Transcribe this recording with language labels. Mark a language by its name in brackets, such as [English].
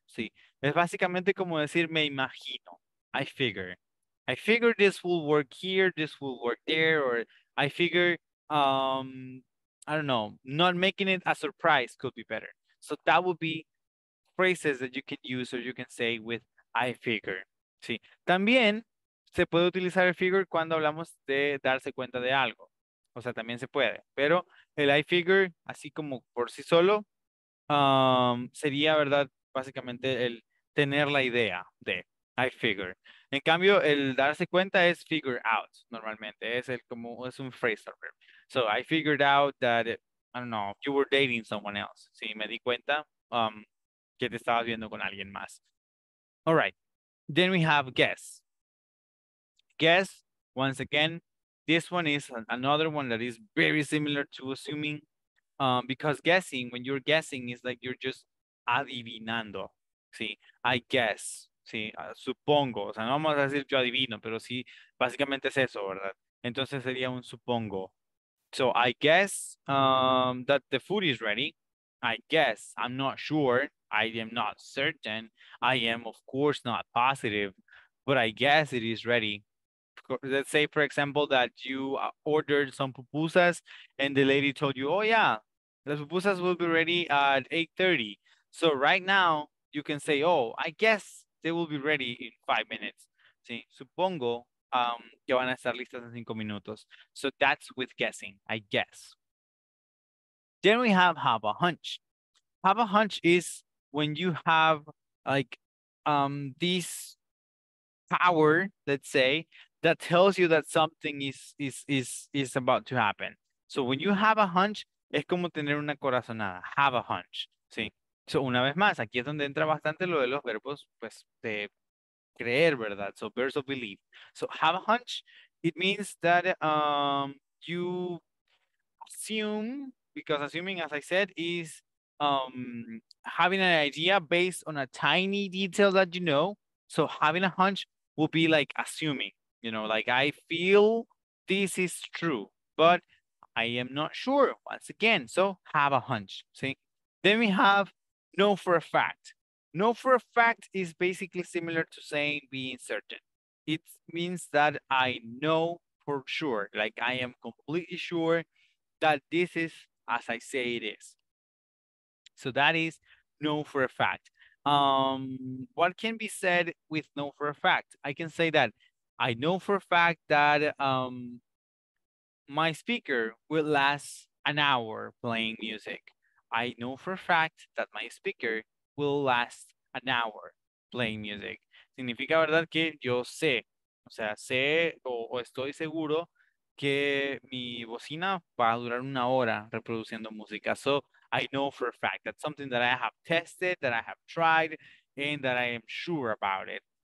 [English] See, [Spanish] es básicamente como decir, me imagino. [English] I figure this will work here, this will work there, or I figure, I don't know, not making it a surprise could be better. So that would be phrases that you can use or you can say with I figure. [Spanish] Sí. También se puede utilizar el figure cuando hablamos de darse cuenta de algo. O sea, también se puede. Pero el I figure, así como por sí solo, sería, ¿verdad? Básicamente el tener la idea de I figure. En cambio, el darse cuenta es figure out, normalmente. Es el como, es un phrasal verb. [English] So I figured out that, I don't know, you were dating someone else. [Spanish] Sí, me di cuenta que te estabas viendo con alguien más. [English] All right. Then we have guess. Guess, once again, this one is another one that is very similar to assuming. Because guessing, when you're guessing, is like you're just adivinando. [Spanish] Sí, [English] I guess. [Spanish] Sí, supongo. O sea, no vamos a decir yo adivino, pero sí, básicamente es eso, ¿verdad? Entonces sería un supongo. [English] So I guess that the food is ready. I guess. I'm not sure. I am not certain. I am, of course, not positive. But I guess it is ready. Let's say, for example, that you ordered some pupusas and the lady told you, oh, yeah, the pupusas will be ready at 8:30. So right now you can say, oh, I guess they will be ready in 5 minutes. See, supongo, [Spanish] que van a estar listas en 5 minutos. [English] So that's with guessing, I guess. Then we have a hunch. Have a hunch is when you have like this power, let's say, that tells you that something is about to happen. So when you have a hunch, [Spanish] es como tener una corazonada. [English] Have a hunch, sí. [Spanish] So una vez más, aquí es donde entra bastante lo de los verbos, pues, de creer, ¿verdad? [English] So verbs of belief. So have a hunch, it means that you assume, because assuming, as I said, is having an idea based on a tiny detail that you know. So having a hunch will be like assuming, you know, like I feel this is true, but I am not sure, once again. So have a hunch, see? Then we have know for a fact. Know for a fact is basically similar to saying being certain. It means that I know for sure, like I am completely sure that this is as I say it is. So that is know for a fact. What can be said with know for a fact? I can say that I know for a fact that my speaker will last an hour playing music. I know for a fact that my speaker will last an hour playing music. [Spanish] Significa, verdad, que yo sé, o sea, sé o estoy seguro que mi bocina va a durar una hora reproduciendo música. [English] So I know for a fact that something that I have tested, that I have tried, and that I am sure about it.